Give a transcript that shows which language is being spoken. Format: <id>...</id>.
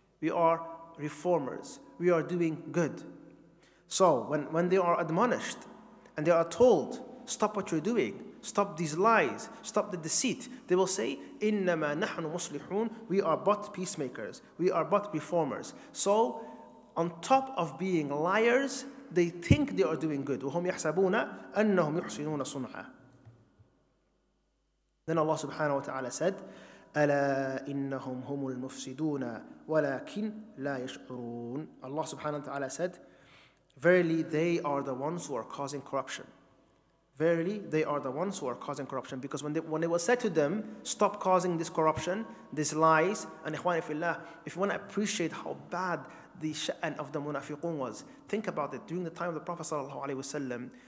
<en>We are reformers. We are doing good. So when they are admonished and they are told, stop what you're doing, stop these lies, stop the deceit, they will say,</en> <ar>إِنَّمَا نَحْنُ مُصْلِحُونَ,</ar> <en>we are but peacemakers. We are but reformers. So on top of being liars, they think they are doing good.</en> <ar>وَهُمْ يَحْسَبُونَ أَنَّهُمْ يُحْسِنُونَ صُنْعًا.</ar> <en>Then Allah subhanahu wa ta'ala said,</en> <ar>أَلَا إِنَّهُمْ هُمُ الْمُفْسِدُونَ وَلَكِنْ لَا يَشْعُرُونَ.</ar> <en>Allah subhanahu wa ta'ala said, verily they are the ones who are causing corruption. Verily they are the ones who are causing corruption. Because when it was said to them, stop causing this corruption, these lies, and ikhwani fillah, if you want to appreciate how bad the sha'an of the munafiqun was, think about it. During the time of the Prophet sallallahu alayhi wa sallam,</en>